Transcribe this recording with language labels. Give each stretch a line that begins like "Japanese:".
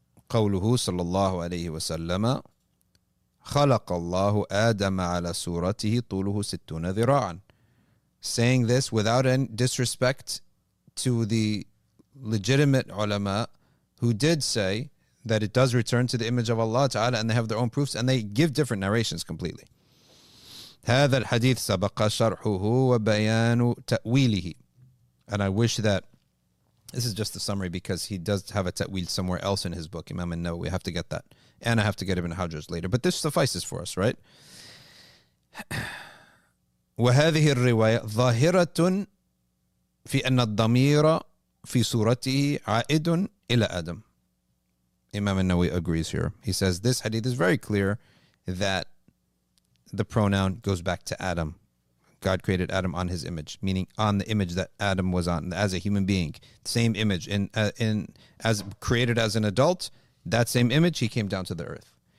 Arabic: قَوْلُهُ صَلَّى اللَّهُ عَلَيْهِ وَسَلَّمَ خَلَقَ اللَّهُ آدَمَ عَلَى سُورَتِهِ طُولُهُ سِتُّونَ ذِرَاعًا.
English: Saying this without any disrespect to the legitimate ulama who did say that it does return to the image of Allah Ta'ala, and they have their own proofs, and they give different narrations completely.
Arabic: هذا الحديث سبق شرحه وبيان تأويله.
English: And I wish that, this is just the summary, because he does have a ta'wil somewhere else in his book, Imam al-Nawawi. We have to get that. And I have to get Ibn Hajar's later. But this suffices for us, right?
Arabic: وهذه الرواية ظاهرة في أن الضمير في سورته عائد إلى آدم.
English: Imam al-Nawawi agrees here. He says this hadith is very clear that the pronoun goes back to Adam. God created Adam on his image, meaning on the image that Adam was on as a human being. Same image in as created as an adult, that same image, he came down to the earth.